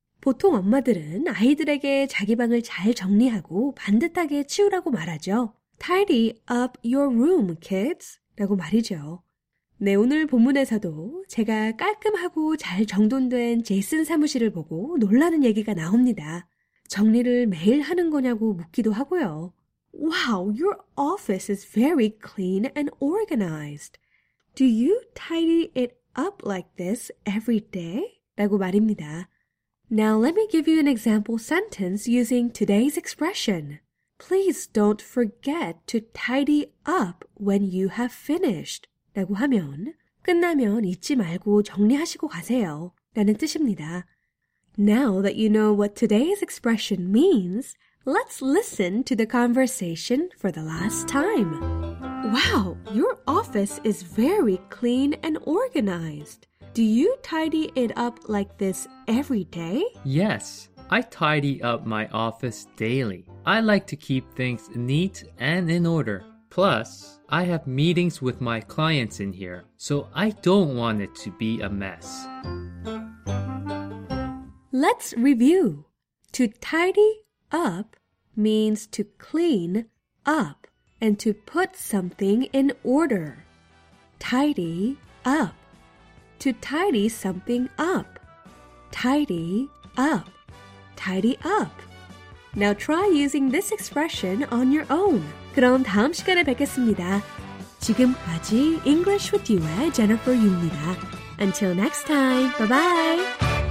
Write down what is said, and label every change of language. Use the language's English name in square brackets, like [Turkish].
[Korean] 보통 엄마들은 아이들에게 자기 방을 잘 정리하고 반듯하게 치우라고 말하죠. [English] Tidy up your room, kids. [Korean] 라고 말이죠. 네, 오늘 본문에서도 제가 깔끔하고 잘 정돈된 제이슨 사무실을 보고 놀라는 얘기가 나옵니다. 정리를 매일 하는 거냐고 묻기도 하고요. [English] Wow, your office is very clean and organized. Do you tidy it up like this every day? [Korean] 라고 말입니다. [English] Now let me give you an example sentence using today's expression. Please don't forget to tidy up when you have finished. [Korean] 라고 하면 끝나면 잊지 말고 정리하시고 가세요 라는 뜻입니다. [English] Now that you know what today's expression means, let's listen to the conversation for the last time. Wow, your office is very clean and organized. Do you tidy it up like this every day? Yes, I tidy up my office daily. I like to keep things neat and in order. Plus, I have meetings with my clients in here, so I don't want it to be a mess. Let's review. To tidy up means to clean up and to put something in order. Tidy up. To tidy something up. Tidy up. Tidy up. Now try using this expression on your own. [Korean] 그럼 다음 시간에 뵙겠습니다. 지금까지 English with you의 Jennifer Yu입니다. [English] Until next time, bye-bye!